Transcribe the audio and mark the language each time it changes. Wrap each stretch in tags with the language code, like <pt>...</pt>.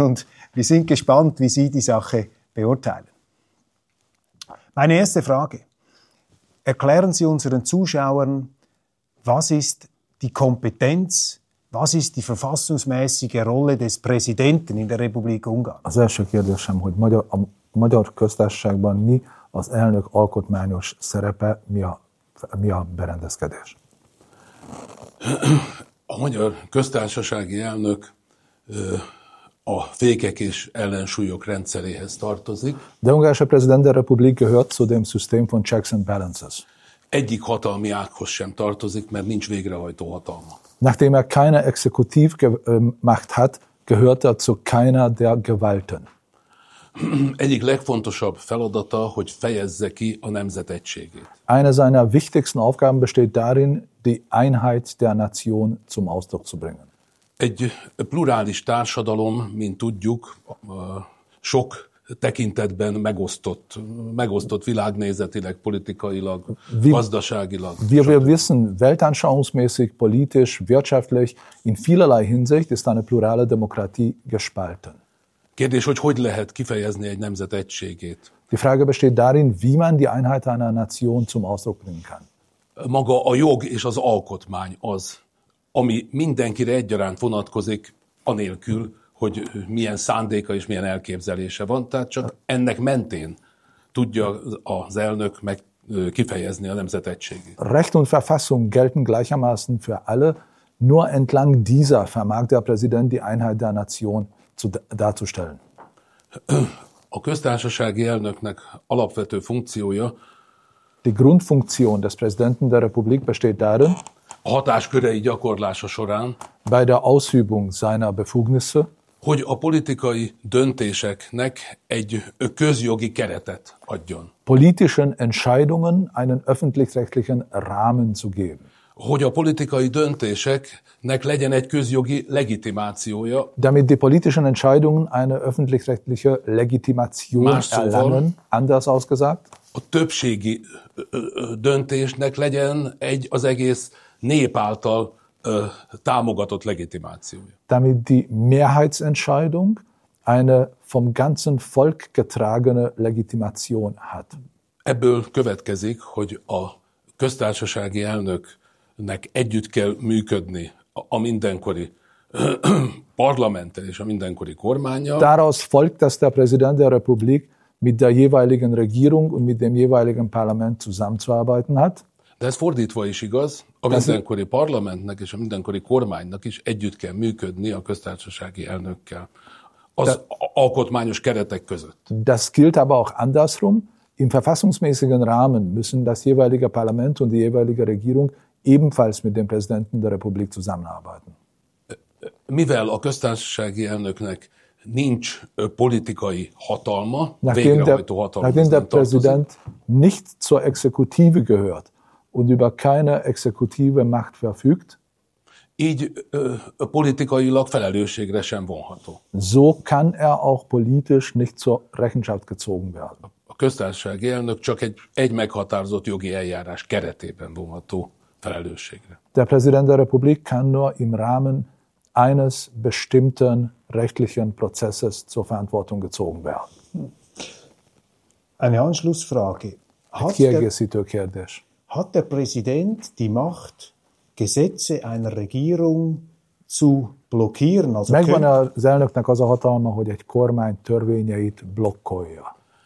<de>Und wir sind gespannt, wie Sie die Sache beurteilen. Meine erste Frage. Erklären Sie unseren Zuschauern, was ist die Kompetenz, was ist die verfassungsmäßige Rolle des Präsidenten in der Republik Ungarn?</de> <hu>Az első kérdésem, hogy a magyar köztársaságban mi az elnök alkotmányos szerepe, mi a berendezkedés? A magyar köztársasági elnök a fékek és ellensúlyok rendszeréhez tartozik.</hu> <de>De Ungarische Präsident der Republik gehört zu dem System von Checks and Balances.</de> <hu>Egyik hatalmi ághoz sem tartozik, mert nincs végrehajtó hatalma.</hu> <de>Nachdem keine Exekutivmacht hat, gehört zu keiner der Gewalten.</de> <hu>Egyik legfontosabb feladata, hogy fejezze ki a nemzetegységét.</hu> <de>Eine seiner wichtigsten Aufgaben besteht darin, die Einheit der Nation zum Ausdruck zu bringen.</de> <hu>Egy plurális társadalom, mint tudjuk, sok tekintetben megosztott világnézetileg, politikailag, gazdaságilag.</hu> <de>Wir wissen, weltanschauungsmäßig, politisch, wirtschaftlich, in vielerlei Hinsicht ist eine plurale Demokratie gespalten.</de> <hu>Kérdés, hogy hogy lehet kifejezni egy nemzet egységét?</hu> <de>Die Frage besteht darin, wie man die Einheit einer Nation zum Ausdruck bringen kann.</de> <hu>Maga a jog és az alkotmány az, ami mindenkire egyaránt vonatkozik, anélkül, hogy milyen szándéka és milyen elképzelése van, tehát csak ennek mentén tudja az elnök meg kifejezni a nemzet egységét.</hu> <de>Recht und Verfassung gelten gleichermaßen für alle, nur entlang dieser vermag der Präsident die Einheit der Nation darzustellen.</de> <hu>A köztársasági elnöknek alapvető funkciója,</hu> <de>die Grundfunktion des Präsidenten der Republik besteht darin,</de> <hu>a hatáskörei gyakorlása során,</hu> <de>bei der Ausübung seiner Befugnisse,</de> <hu>hogy a politikai döntéseknek egy közjogi keretet adjon.</hu> <de>Politischen Entscheidungen einen öffentlich-rechtlichen Rahmen zu geben.</de> <hu>Hogy a politikai döntéseknek legyen egy közjogi legitimációja.</hu> <de>Damit die politischen Entscheidungen eine öffentlich-rechtliche Legitimation erlangen, anders ausgesagt.</de> <hu>A többségi döntésnek legyen egy az egész nép által támogatott legitimációja.</hu> <de>Damit die Mehrheitsentscheidung eine vom ganzen Volk getragene Legitimation hat.</de> <hu>Ebből következik, hogy a köztársasági elnöknek együtt kell működni a mindenkori parlamenttel és a mindenkori kormánnyal.</hu> <de>Daraus folgt, dass der Präsident der Republik mit der jeweiligen Regierung und mit dem jeweiligen Parlament zusammenzuarbeiten hat.</de> <hu>De ez fordítva is igaz, a mindenkori parlamentnek és a mindenkori kormánynak is együtt kell működni a köztársasági elnökkel az alkotmányos keretek között.</hu> <de>Das gilt aber auch andersrum. Im verfassungsmäßigen Rahmen müssen das jeweilige Parlament und die jeweilige Regierung ebenfalls mit dem Präsidenten der Republik zusammenarbeiten.</de> <hu>Mivel a köztársasági elnöknek nincs politikai hatalma, végrehajtó hatalma.</hu> <de>Nachdem der Präsident nicht zur Exekutive gehört und über keine exekutive Macht verfügt,</de> <hu>így politikailag felelősségre sem vonható.</hu> <de>So kann er auch politisch nicht zur Rechenschaft gezogen werden.</de> <hu>A köztársasági elnök csak egy meghatározott jogi eljárás keretében vonható felelősségre.</hu> <de>Der Präsident der Republik kann nur im Rahmen eines bestimmten rechtlichen Prozesses zur Verantwortung gezogen werden. Eine Anschlussfrage. Hat der Präsident die Macht, Gesetze einer Regierung zu blockieren?</de> <hu>Also megvan az elnöknek az a hatalma, hogy egy kormány törvényeit blokkolja?</hu>